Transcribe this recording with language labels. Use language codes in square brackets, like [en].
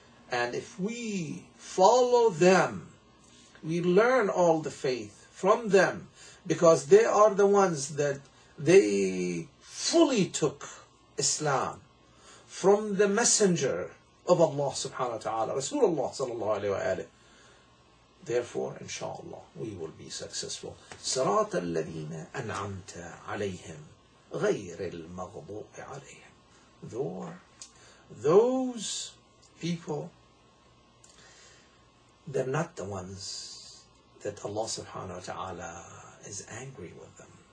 [en] And if we follow them, we learn all the faith from them, because they are the ones that they fully took Islam from the messenger of Allah subhanahu wa ta'ala, Rasulullah sallallahu alayhi wa alayhi. Therefore, inshallah, we will be successful. [ar] صراط الذين أنعمت عليهم غير المغضوب عليهم. [en] Those people, they're not the ones that Allah subhanahu wa ta'ala is angry with them.